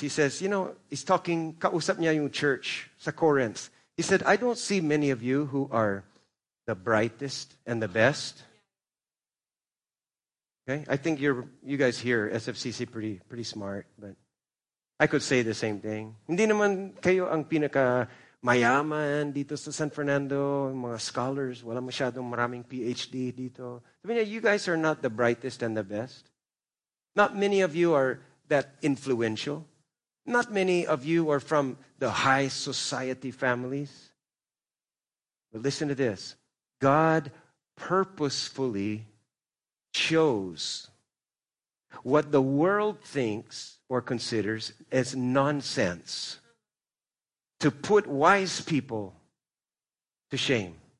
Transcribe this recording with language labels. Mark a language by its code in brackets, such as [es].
[en] He says, you know, he's talking, [tl] kausap niya yung church sa Corinth. [en] He said, I don't see many of you who are the brightest and the best. Okay, I think you guys here, SFCC, pretty smart, but I could say the same thing. [tl] Hindi naman kayo ang pinaka mayaman dito sa San Fernando, mga scholars, wala masyadong maraming PhD dito. [en] I mean, you guys are not the brightest and the best. Not many of you are that influential. Not many of you are from the high society families. But listen to this. God purposefully chose what the world thinks or considers as nonsense to put wise people to shame.